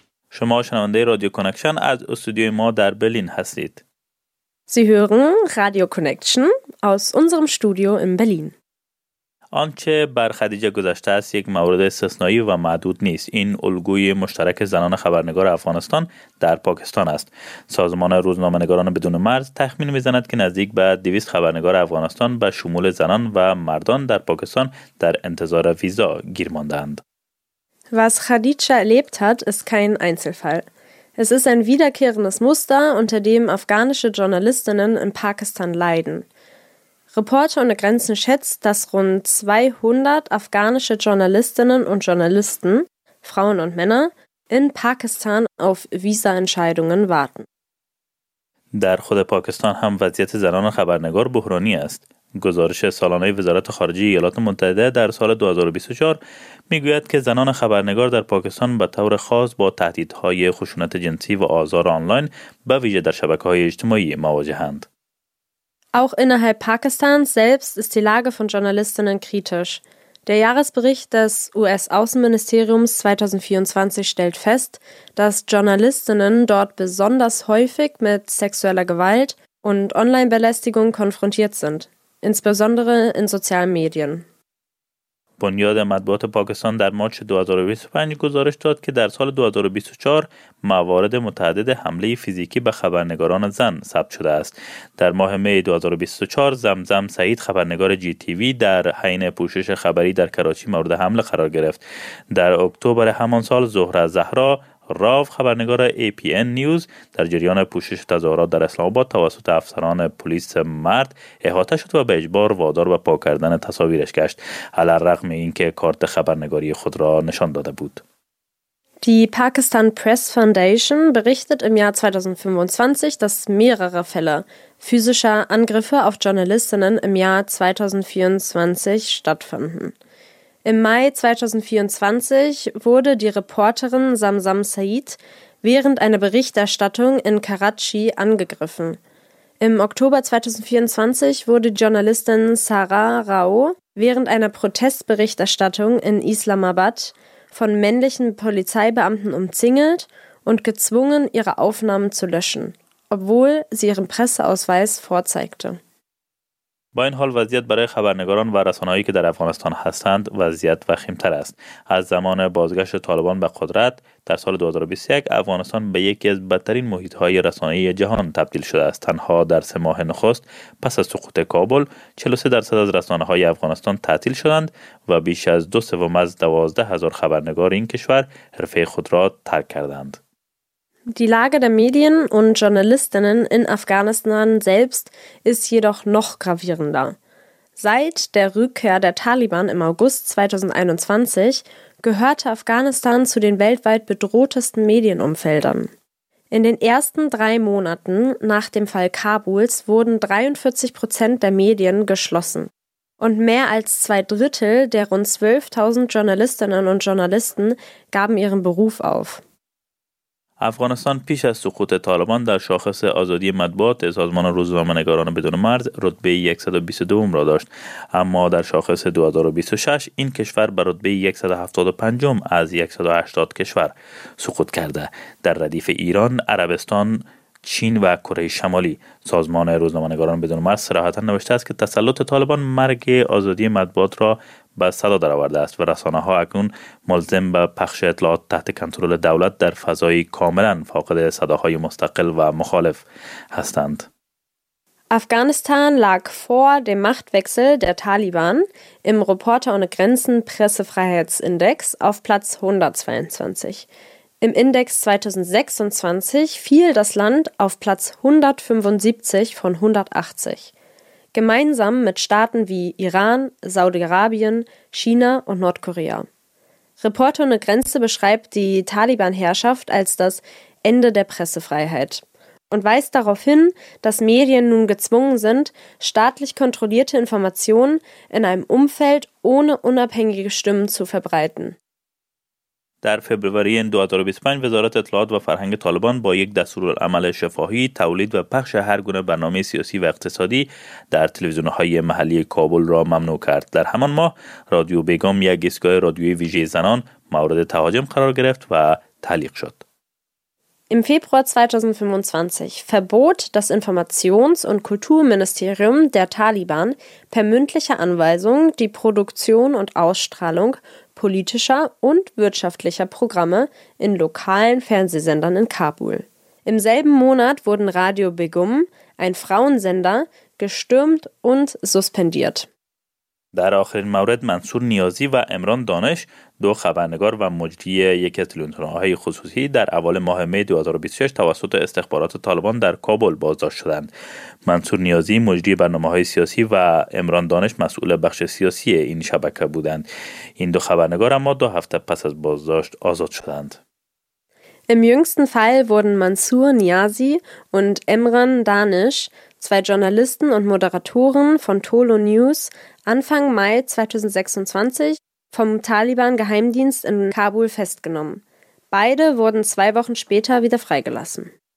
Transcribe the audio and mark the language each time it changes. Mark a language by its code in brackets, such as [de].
[fa] شنونده رادیو کانکشن از استودیوی ما در برلین هستید. [de] Sie hören Radio Connection aus unserem Studio in Berlin. [fa] آنچه بر خدیجه گذشته است یک مورد استثنایی و معدود نیست. این الگوی مشترک زنان خبرنگار افغانستان در پاکستان است. سازمان روزنامه‌نگاران بدون مرز تخمین می‌زند که نزدیک به 200 خبرنگار افغانستان به شمول زنان و مردان در پاکستان در انتظار ویزا گیر مانده‌اند. [de] Was Khadija erlebt hat, ist kein Einzelfall. Es ist ein wiederkehrendes Muster, unter dem afghanische Journalistinnen in Pakistan leiden. Reporter ohne Grenzen schätzt, dass rund 200 afghanische Journalistinnen und Journalisten, Frauen und Männer, in Pakistan auf Visa-Entscheidungen warten. [fa] در خود پاکستان هم وضعیت زنان خبرنگار بحرانی است. گزارش سالانه وزارت خارجه ایالات متحده در سال 2024 میگوید که زنان خبرنگار در پاکستان به طور خاص با تهدیدهای خشونت جنسی و آزار آنلاین به ویژه در شبکه‌های اجتماعی مواجهند. [de] Auch innerhalb Pakistans selbst ist die Lage von Journalistinnen kritisch. Der Jahresbericht des US-Außenministeriums 2024 stellt fest, dass Journalistinnen dort besonders häufig mit sexueller Gewalt und Online-Belästigung konfrontiert sind. Insbesondere in sozialen Medien. [fa] بنیاد مطبوعات پاکستان در مارچ 2025 گزارش داد که در سال 2024 موارد متعدد حمله فیزیکی به خبرنگاران زن ثبت شده است. در ماه می 2024 زمزم سعید خبرنگار جی تی وی در حین پوشش خبری در کراچی مورد حمله قرار گرفت. در اکتبر همان سال زهره زهرا راو خبرنگار ای پی این نیوز در جریان پوشش تظاهرات در اسلام آباد توسط افسران پلیس مرد احاطه شد و به اجبار وادار به پاک کردن تصاویرش گشت علی‌رغم اینکه کارت خبرنگاری خود را نشان داده بود. [de] Die Pakistan Press Foundation berichtet im Jahr 2025, dass mehrere Fälle physischer Angriffe auf Journalistinnen im Jahr 2024 stattfanden. Im Mai 2024 wurde die Reporterin Zamzam Said während einer Berichterstattung in Karachi angegriffen. Im Oktober 2024 wurde die Journalistin Sarah Rao während einer Protestberichterstattung in Islamabad von männlichen Polizeibeamten umzingelt und gezwungen, ihre Aufnahmen zu löschen, obwohl sie ihren Presseausweis vorzeigte. [fa] با این حال وضعیت برای خبرنگاران و رسانه‌هایی که در افغانستان هستند وضعیت وخیم‌تر است. از زمان بازگشت طالبان به قدرت در سال 2021 افغانستان به یکی از بدترین محیط‌های رسانه‌ای جهان تبدیل شده است. تنها در سه ماه نخست پس از سقوط کابل 43% از رسانه‌های افغانستان تعطیل شدند و بیش از 2/3 از 12,000 خبرنگار این کشور حرفه خود را ترک کردند. [de] Die Lage der Medien und Journalistinnen in Afghanistan selbst ist jedoch noch gravierender. Seit der Rückkehr der Taliban im August 2021 gehörte Afghanistan zu den weltweit bedrohtesten Medienumfeldern. In den ersten drei Monaten nach dem Fall Kabuls wurden 43% der Medien geschlossen. Und mehr als zwei Drittel der rund 12.000 Journalistinnen und Journalisten gaben ihren Beruf auf. [fa] افغانستان پیش از سقوط طالبان در شاخص آزادی مطبوعات سازمان روزنامه‌نگاران بدون مرز رتبه 122 را داشت، اما در شاخص 2026 این کشور به رتبه 175 از 180 کشور سقوط کرده. در ردیف ایران، عربستان، چین و کره شمالی. سازمان روزنامه‌نگاران بدون مرز صراحتاً نوشته است که تسلط طالبان مرگ آزادی مطبوعات را به صدا درآورده است و رسانه ها اکنون ملزم به پخش اطلاعات تحت کنترل دولت در فضایی کاملا فاقد صداهای مستقل و مخالف هستند. [de] افغانستان lag vor dem Machtwechsel der Taliban im Reporter ohne Grenzen Pressefreiheitsindex auf Platz 122. Im Index 2026 fiel das Land auf Platz 175 von 180. Gemeinsam mit Staaten wie Iran, Saudi-Arabien, China und Nordkorea. Reporter ohne Grenze beschreibt die Taliban-Herrschaft als das Ende der Pressefreiheit und weist darauf hin, dass Medien nun gezwungen sind, staatlich kontrollierte Informationen in einem Umfeld ohne unabhängige Stimmen zu verbreiten. [fa] در فوریه 2025 وزارت اطلاعات و فرهنگ طالبان با یک دستورالعمل شفاهی تولید و پخش هر گونه برنامه سیاسی و اقتصادی در تلویزیون‌های محلی کابل را ممنوع کرد. در همان ماه رادیو بیگام، یک ایستگاه رادیوی ویژه زنان، مورد تهاجم قرار گرفت و تعلیق شد. [de] Im Februar 2025 verbot das Informations- und Kulturministerium der Taliban per mündlicher Anweisung die Produktion und Ausstrahlung politischer und wirtschaftlicher Programme in lokalen Fernsehsendern in Kabul. Im selben Monat wurden Radio Begum, ein Frauensender, gestürmt und suspendiert. [fa] در آخرین مورد، منصور نیازی و عمران دانش، دو خبرنگار و مجری یکی از تلویزیون‌های خصوصی، در اول ماه می 2026 توسط استخبارات طالبان در کابل بازداشت شدند. منصور نیازی مجری برنامه‌های سیاسی و عمران دانش مسئول بخش سیاسی این شبکه بودند. این دو خبرنگار اما دو هفته پس از بازداشت آزاد شدند. [de] Im jüngsten Fall wurden Mansur Niazi und Emran Danish, zwei Journalisten und Moderatoren von Tolo News, Anfang Mai 2026 vom Taliban-Geheimdienst in Kabul festgenommen. Beide wurden zwei Wochen später wieder freigelassen.